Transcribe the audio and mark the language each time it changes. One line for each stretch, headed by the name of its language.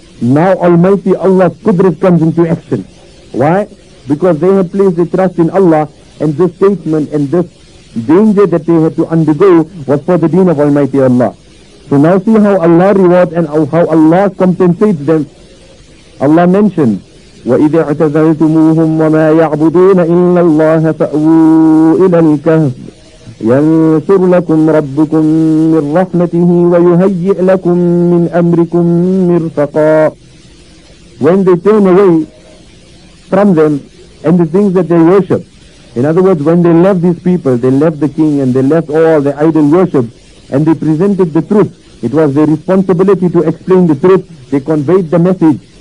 English: Now Almighty Allah's qudrat comes into action. Why? Because they have placed their trust in Allah, and this statement and this danger that they had to undergo was for the deen of Almighty Allah. So now see how Allah rewards and how Allah compensates them. Allah mentioned,
Arabic: وَإِذَا اعْتَزَلْتُمُوهُمْ وَمَا يَعْبُدُونَ إِلَّا اللَّهَ فَأْوُوا إِلَى الْكَهْفِ يَنْصُرْ لَكُمْ رَبُّكُمْ مِنْ رَحْمَتِهِ وَيُهَيِّئْ لَكُمْ مِنْ أَمْرِكُمْ مِرْفَقًا.
English: When they turn away from them and the things that they worship, in other words, when they left these people, they left the king and they left all the idol worship, and they presented the truth. It was their responsibility to explain the truth. They conveyed the message.